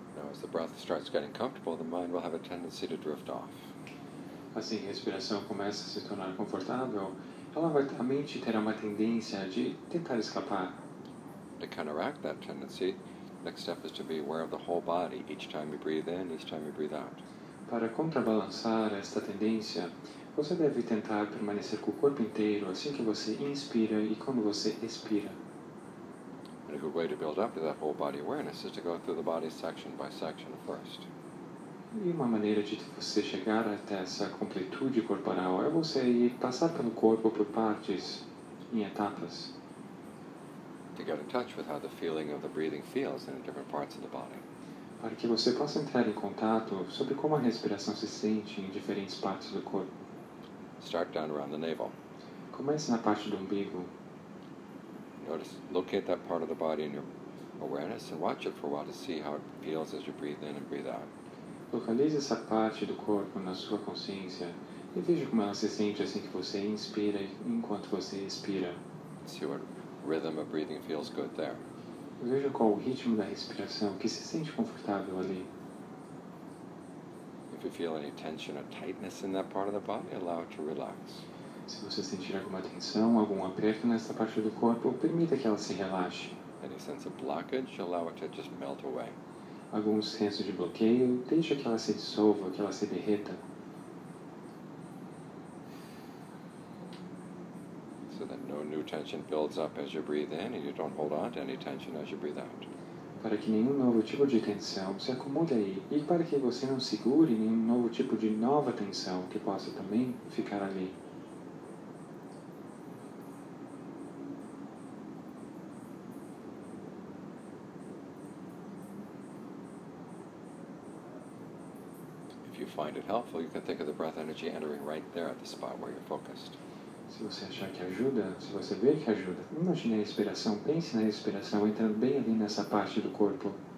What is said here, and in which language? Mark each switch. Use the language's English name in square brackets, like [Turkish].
[English] As the breath starts getting comfortable, the mind will have a tendency to drift off. [Portuguese] Assim, a respiração começa a se tornar confortável, a mente terá uma tendência de tentar escapar. [English] To counteract that tendency, next step is to be aware of the whole body, each time you breathe in, each time you breathe out. [Portuguese] Para contrabalançar esta tendência, você deve tentar permanecer com o corpo inteiro assim que você inspira e quando você expira. [English] And a good way to build up to that whole body awareness is to go through the body section by section first. [Portuguese] E uma maneira de você chegar até essa completude corporal é você ir passar pelo corpo por partes, em etapas. [English] To get in touch with how the feeling of the breathing feels in different parts of the body. [Portuguese] Para que você possa entrar em contato sobre como a respiração se sente em diferentes partes do corpo. [English] Start down around the navel. [Portuguese] Comece na parte do umbigo. [English] Notice, locate that part of the body in your awareness and watch it for a while to see how it feels as you breathe in and breathe out. [Portuguese] Localize essa parte do corpo na sua consciência e veja como ela se sente assim que você inspira enquanto você expira. [English] See what rhythm of breathing feels good there. [Portuguese] Veja qual o ritmo da respiração que se sente confortável ali. [English] If you feel any tension or tightness in that part of the body, allow it to relax. [Portuguese] Se você sentir alguma tensão, algum aperto nesta parte do corpo, permita que ela se relaxe. [English] Any sense of blockage, allow it to just melt away. [Portuguese] Algum senso de bloqueio, deixe que ela se dissolva, que ela se derreta. [English] So that no new new tension builds up as you breathe in, and you don't hold on to any tension as you breathe out. [Portuguese] Para que nenhum novo tipo de tensão se acumule aí, e para que você não segure nenhum novo tipo de nova tensão que possa também ficar ali. [English] Find it helpful, you can think of the breath energy entering right there at the spot where you're focused. [Portuguese] Se você achar que ajuda, se você vê que ajuda, imagine a respiração, pense na respiração entrando bem ali nessa parte do corpo.